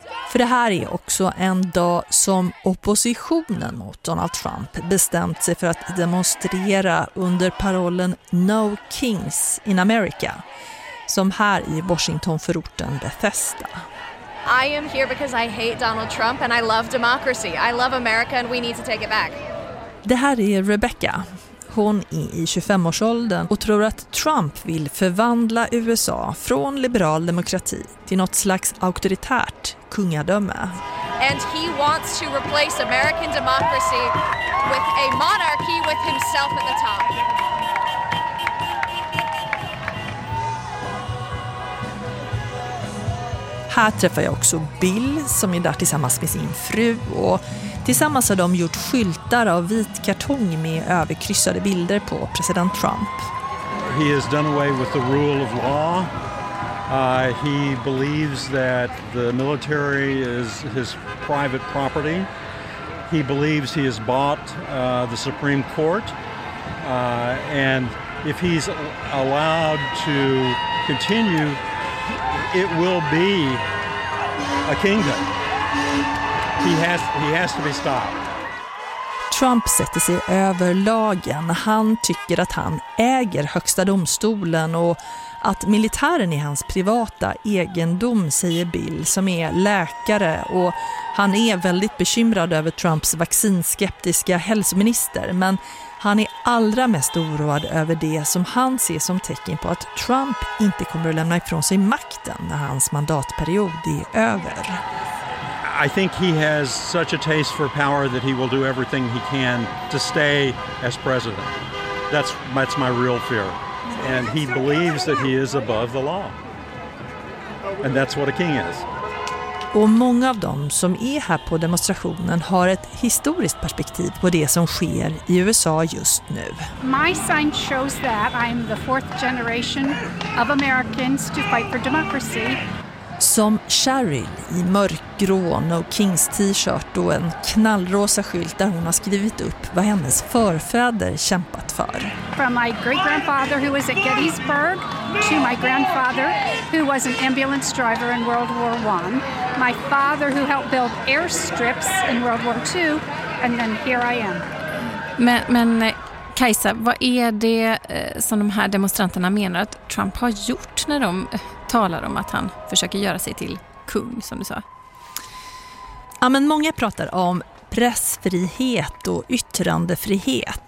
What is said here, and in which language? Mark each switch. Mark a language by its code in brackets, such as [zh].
[sv] För det här är också en dag som oppositionen mot Donald Trump bestämt sig för att demonstrera under parollen [en] No Kings in America. [sv] Som här i Washingtonförorten Bethesda. [en] I am here because I hate Donald Trump and I love democracy. I love America and we need to take it back. [sv] Det här är Rebecca. Hon är i 25-årsåldern och tror att Trump vill förvandla USA från liberal demokrati till något slags auktoritärt kungadöme. [en] And he wants to replace American democracy with a monarchy with himself at the top. [sv] Här träffar jag också Bill som är där tillsammans med sin fru. Och tillsammans har de gjort skyltar av vit kartong med överkryssade bilder på president Trump. [en] He has done away with the rule of law. He believes that the military is his private property. He believes he has bought the Supreme Court. And if he's allowed to continue, it will be a kingdom. He has to be stopped. [sv] Trump sätter sig över lagen. Han tycker att han äger högsta domstolen och att militären är hans privata egendom, säger Bill som är läkare. Och han är väldigt bekymrad över Trumps vaccinskeptiska hälsominister. Men han är allra mest oroad över det som han ser som tecken på att Trump inte kommer att lämna ifrån sig makten när hans mandatperiod är över. [en] I think he has such a taste for power that he will do everything he can to stay as president. That's my real fear. And he believes that he is above the law. And that's what a king is. [sv] Och många av dem som är här på demonstrationen har ett historiskt perspektiv på det som sker i USA just nu. [en] My sign shows that I'm the fourth generation of Americans to fight for democracy. [sv] Som Cheryl i mörkgrå No Kings t-shirt och en knallrosa skylt där hon har skrivit upp vad hennes förfäder kämpat för. [en] From my great-grandfather who was at Gettysburg to my grandfather who was an ambulance driver in World War I. My father who helped build airstrips in World War II. And then here I am. [sv] Men Kajsa, vad är det som de här demonstranterna menar att Trump har gjort när de talar om att han försöker göra sig till kung, som du sa? Ja, men många pratar om pressfrihet och yttrandefrihet.